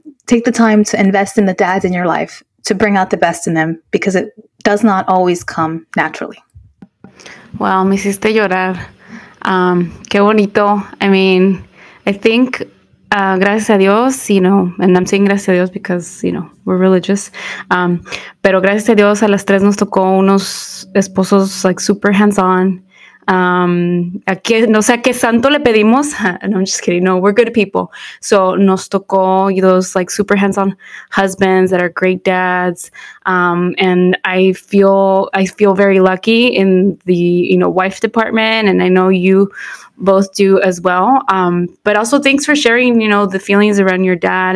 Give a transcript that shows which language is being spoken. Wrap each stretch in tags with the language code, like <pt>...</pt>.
<en>Take the time to invest in the dads in your life to bring out the best in them, because it does not always come naturally.</en> <es>Well, me hiciste llorar. Qué bonito.</es> <en>I mean, I think,</en> <es>gracias a Dios,</es> <en>you know, and I'm saying gracias a Dios because, you know, we're religious.</en> <es>Pero gracias a Dios, a las tres nos tocó unos esposos,</es> <en>like, super hands-on.</en> <es>No sé a qué santo le pedimos.</es> <en>No, I'm just kidding. No, we're good people. So</en> <es>nos tocó</es> <en>those, like, super hands-on husbands that are great dads. And I feel very lucky in the, you know, wife department. And I know you both do as well. But also thanks for sharing, you know, the feelings around your dad.</en>